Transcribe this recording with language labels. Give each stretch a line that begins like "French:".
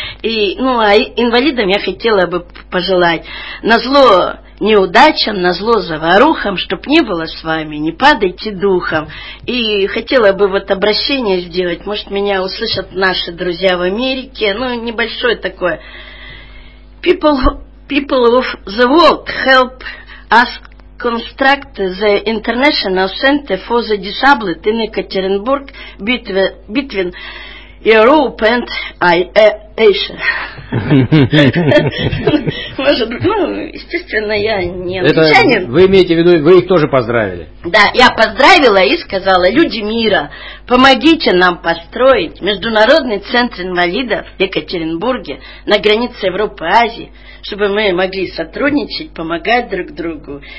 Russian: И, ну, а инвалидам я хотела бы пожелать назло... неудачам, назло заварухам, чтоб не было с вами, не падайте духом. И хотела бы вот обращение сделать, может, меня услышат наши друзья в Америке, ну, небольшое такое.
English: People of the world, help us construct the International Center for the Disabled in Ekaterinburg between Europe and Asia.
Russian: Может, ну, естественно, я не англичанин. Вы имеете в виду, вы их тоже поздравили? Да, я поздравила и сказала: люди мира, помогите нам построить Международный центр инвалидов в Екатеринбурге на границе Европы и Азии, чтобы мы могли сотрудничать, помогать друг другу.